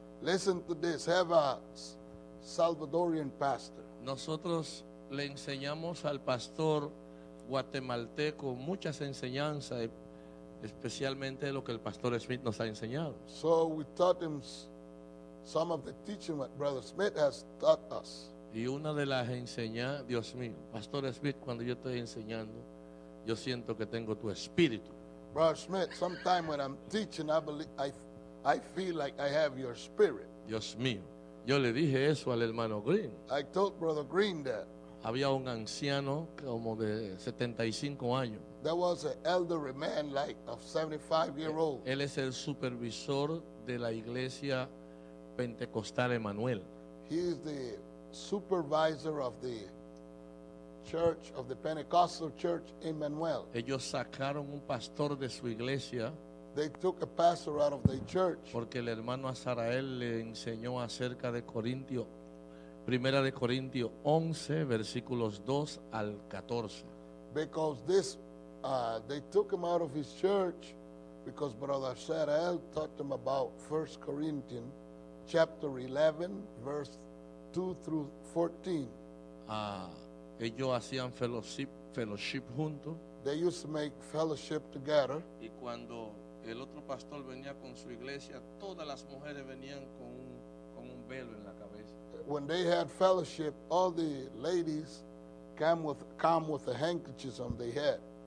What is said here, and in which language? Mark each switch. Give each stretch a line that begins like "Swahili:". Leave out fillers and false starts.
English: Listen to this, have a Salvadorian pastor.
Spanish: Nosotros le enseñamos al pastor guatemalteco muchas enseñanzas, especialmente lo que el pastor Smith nos ha enseñado.
English: So we taught him some of the teaching that Brother Smith has taught us.
Spanish: Y una de las enseñanzas, Dios mío, Pastor Smith, cuando yo estoy enseñando, yo siento que tengo tu espíritu.
English: Brother Smith, sometimes when I'm teaching, I feel like I have your spirit.
Spanish: Dios mío, yo le dije eso al hermano Green.
English: I told Brother Green that.
Spanish: Había un anciano como de 75 años.
English: There was an elderly man like of 75 year old.
Spanish: Él es el supervisor de la iglesia Pentecostal Emmanuel.
English: He is the supervisor of the church of the Pentecostal Church Emmanuel.
Spanish: Ellos sacaron un pastor de su iglesia.
English: They took a pastor out of their church.
Spanish: Porque el hermano Azarael le enseñó acerca de Corintio, Primera de Corintio 11 versículos 2 al 14.
English: Because this they took him out of his church because Brother Sarael taught them about 1 Corinthians chapter 11, verse 2 through 14.
Spanish: Ellos hacían fellowship juntos.
English: They used to make fellowship together.
Spanish: Y cuando el otro pastor venía con su iglesia, todas las mujeres venían con un velo en la cabeza.
English: When they had fellowship, all the ladies come with the handkerchiefs on their head.